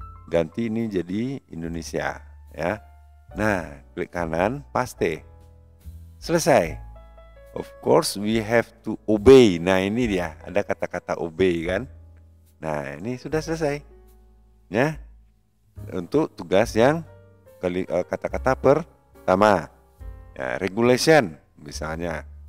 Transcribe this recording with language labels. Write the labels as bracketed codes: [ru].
[id] Ganti ini jadi Indonesia ya. Nah, klik kanan, paste. Selesai. [en] Of course we have to obey. [id] Nah, ini dia, ada kata-kata obey kan. Nah, ini sudah selesai ya, untuk tugas yang kata-kata pertama ya, regulation misalnya.